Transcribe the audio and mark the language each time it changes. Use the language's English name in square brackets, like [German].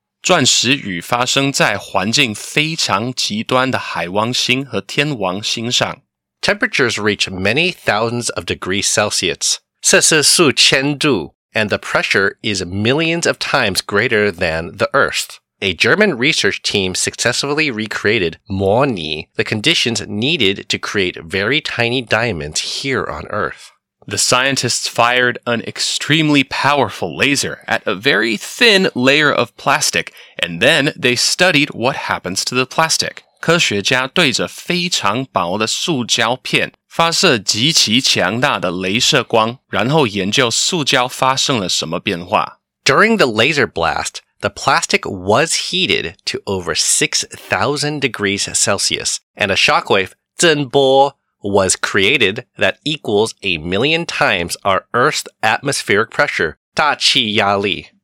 [Chinese] 钻石雨发生在环境非常极端的海王星和天王星上。 [English] Temperatures reach many thousands of degrees Celsius, [Chinese] 摄氏数千度, [English] and the pressure is millions of times greater than the Earth. A German research team successfully recreated [Chinese] 模拟, [English] the conditions needed to create very tiny diamonds here on Earth. The scientists fired an extremely powerful laser at a very thin layer of plastic, and then they studied what happens to the plastic. [Chinese] 科学家对着非常薄的塑胶片发射极其强大的镭射光，然后研究塑胶发生了什么变化。 [English] During the laser blast, the plastic was heated to over 6,000 degrees Celsius, and a shockwave, [Chinese] 震波, [English] was created that equals a million times our Earth's atmospheric pressure, [Chinese] 大气压力.